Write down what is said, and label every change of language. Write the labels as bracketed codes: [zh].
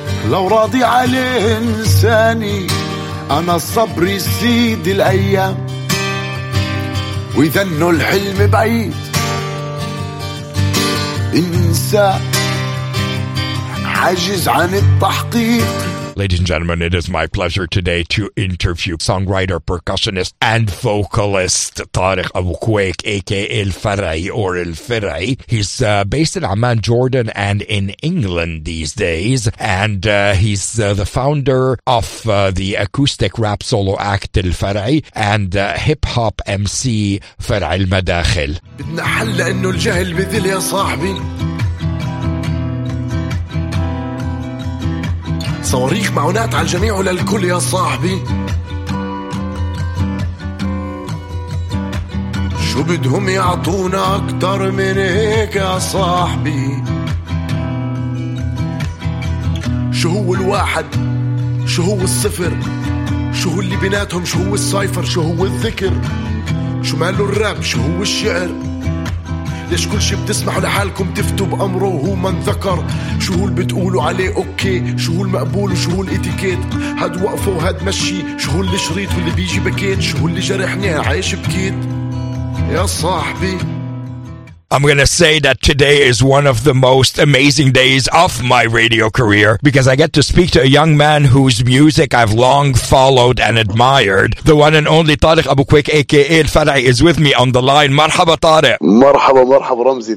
[ar] لو راضي عليه انساني، انا الصبر يزيد الايام، واذا انه الحلم بعيد انسى حاجز عن التحقيق. [en] Ladies and gentlemen, it is my pleasure today to interview songwriter, percussionist, and vocalist Tariq Abu Kwaik, a.k.a. الفرعي or الفرعي. He's based in Amman, Jordan, and in England these days. And he's the founder of the acoustic rap solo act الفرعي and hip-hop MC فرع المداخل. بدنا حل لأنه الجهل بذل يا صاحبي، صواريخ معونات على الجميع وللكل يا صاحبي، شو بدهم يعطونا أكتر من هيك يا صاحبي؟ شو هو الواحد؟ شو هو الصفر؟ شو هو اللي بيناتهم؟ شو هو السايفر؟ شو هو الذكر؟ شو ماله الراب؟ شو هو الشعر؟ ليش كل شي بتسمحوا لحالكم تفتوا بأمره هو من ذكر؟ شو هو اللي بتقولوا عليه أوكي؟ شو هو المقبول وشو هو الإتيكيت؟ هاد وقفه وهاد مشي، شو هو الشريط واللي بيجي بكيت؟ شو هو اللي جرحني عايش بكيت يا صاحبي؟ I'm going to say that today is one of the most amazing days of my radio career because I get to speak to a young man whose music I've long followed and admired. The one and only Tariq Abu Kwaik, a.k.a. الفرعي, is with me on the line. [ar] Marhaba, Tariq. Marhaba, marhaba, Ramzi.